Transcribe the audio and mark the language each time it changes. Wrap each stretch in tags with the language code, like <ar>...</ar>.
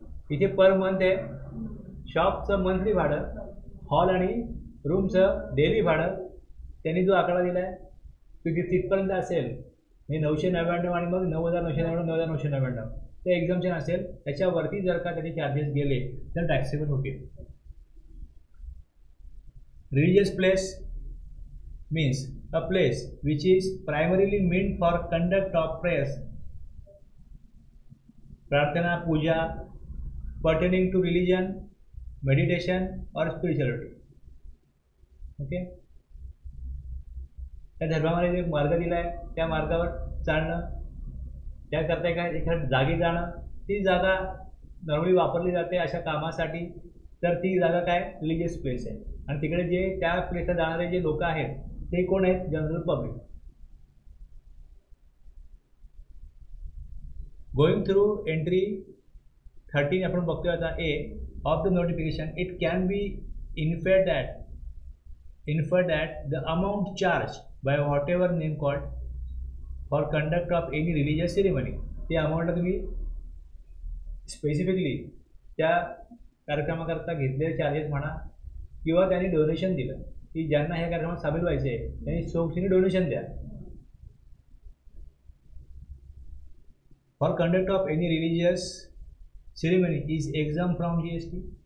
<mr>इथे per month आहे, शॉपचं मंथली भाडं, हॉल आणि रूमचं डेली भाडं त्यांनी जो आकडा दिला आहे तो तिथपर्यंत असेल म्हणजे 999 आणि मग 9999 ते एक्झम्पशन असेल, त्याच्यावरती जर का त्याचे चार्जेस गेले तर टॅक्सेबल होतील.</mr> <en>Religious place means a place which is primarily mean for conduct of prayers प्रार्थना पूजा pertaining to religion meditation और spirituality.</en> <mr>ओके, त्या धर्मामध्ये जे मार्ग दिला आहे त्या मार्गावर चालणं, त्याकरता एका एखाद्या जागी जाणं, ती जागा नॉर्मली वापरली जाते अशा कामासाठी, तर ती जागा काय रिलिजियस प्लेस आहे. आणि तिकडे जे त्या प्लेसला जाणारे जे लोक आहेत ते कोण आहेत, general public.</mr> <en>going through entry 13</en> <mr>आपण बघतोय आता</mr> <en>A of the notification, it can be infer that the amount charge by what ever name called for conduct of any religious ceremony,</en> <mr>ते अमाऊंट तुम्ही स्पेसिफिकली त्या कार्यक्रमाकरता घेतलेले चार्जेस म्हणा किंवा त्यांनी डोनेशन दिलं की ज्यांना ह्या कार्यक्रमात सामील व्हायचे आहे त्यांनी सोबतीने डोनेशन द्या.</mr> <en>For conduct of any religious ceremony is exempt from GST.</en>